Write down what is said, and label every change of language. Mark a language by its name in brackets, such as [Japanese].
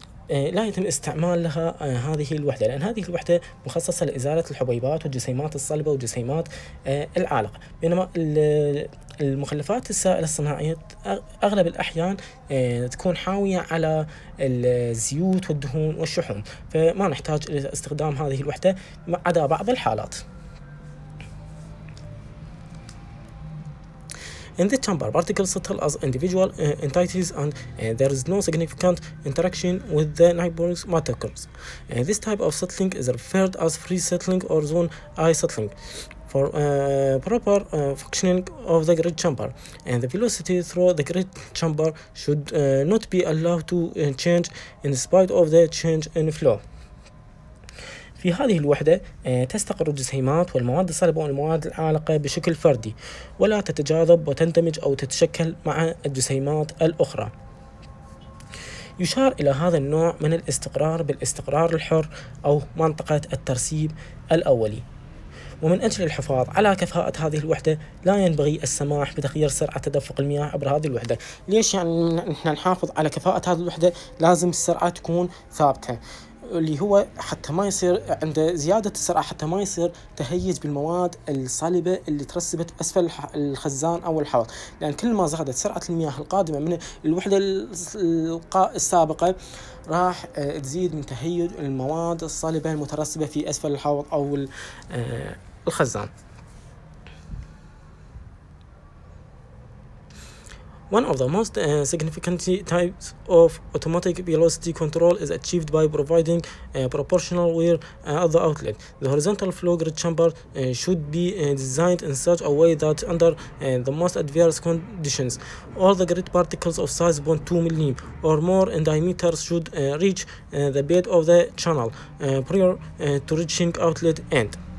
[Arabic] لا يتم استعمال لها هذه الوحدة، لأن هذه الوحدة مخصصة لإزالة الحبيبات والجسيمات الصلبة والجسيمات العالقة، بينما المخلفات السائلة الصناعية أغلب الأحيان تكون حاوية على الزيوت والدهون والشحوم، فما نحتاج إلى استخدام هذه الوحدة عدا بعض الحالات. [English] In this chamber, particles settle as individual entities and there is no significant interaction with the neighboring materials. This type of settling is referred as free settling or zone I settling. For proper functioning of the grid chamber, and the velocity through the grid chamber should not be allowed to change in spite of the change in flow. [Arabic] في هذه الوحدة تستقر الجسيمات والمواد الصلبة والمواد العالقة بشكل فردي ولا تتجاذب وتندمج أو تتشكل مع الجسيمات الأخرى. يشار إلى هذا النوع من الاستقرار بالاستقرار الحر أو منطقة الترسيب الأولي. ومن أجل الحفاظ على كفاءة هذه الوحدة لا ينبغي السماح بتغيير سرعة تدفق المياه عبر هذه الوحدة. ليش؟ يعني نحن نحافظ على كفاءة هذه الوحدة لازم السرعة تكون ثابتة، اللي هو حتى ما يصير عند زيادة السرعة حتى ما يصير تهيج بالمواد الصلبة اللي ترسبت أسفل الخزان أو الحوض، لأن كل ما زادت سرعة المياه القادمة من الوحدة السابقة راح تزيد من تهيج المواد الصلبة المترسبة في أسفل الحوض أو الخزان. [English] One of the most significant types of automatic velocity control is achieved by providing proportional wear at the outlet. The horizontal flow grid chamber should be designed in such a way that under the most adverse conditions, all the grid particles of size 0.2 mm or more in diameter should reach the bed of the channel prior to reaching outlet end.